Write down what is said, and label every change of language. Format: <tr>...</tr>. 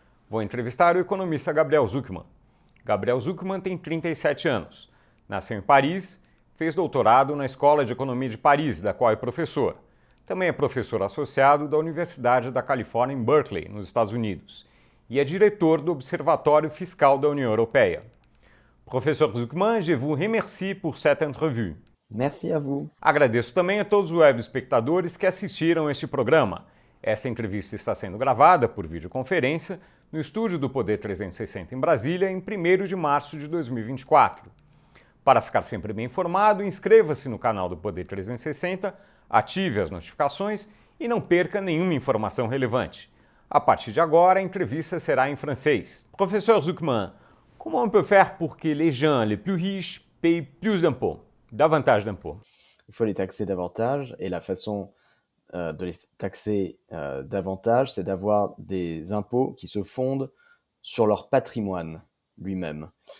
<pt>Vou entrevistar o economista Gabriel Zucman. Gabriel Zucman tem 37 anos. Nasceu em Paris, fez doutorado na Escola de Economia de Paris, da qual é professor. Também é professor associado da Universidade da Califórnia em Berkeley, nos Estados Unidos. E é diretor do Observatório Fiscal da União Europeia.</pt> <fr>Professor Zucman, je vous remercie pour cette entrevue. Merci à vous.</fr> <pt>Agradeço também a todos os web espectadores que assistiram este programa. Esta entrevista está sendo gravada por videoconferência no estúdio do Poder 360 em Brasília, em 1º de março de 2024. Para ficar sempre bem informado, inscreva-se no canal do Poder 360, ative as notificações e não perca nenhuma informação relevante. A partir de agora, a entrevista será em francês.</pt> <fr>Professor Zucman, comment on peut faire pour que les gens les plus riches payent plus d'impôts? Davantage d'impôts. Il faut les taxer davantage et la façon de les taxer davantage, c'est d'avoir des impôts qui se fondent sur leur patrimoine lui-même.</fr>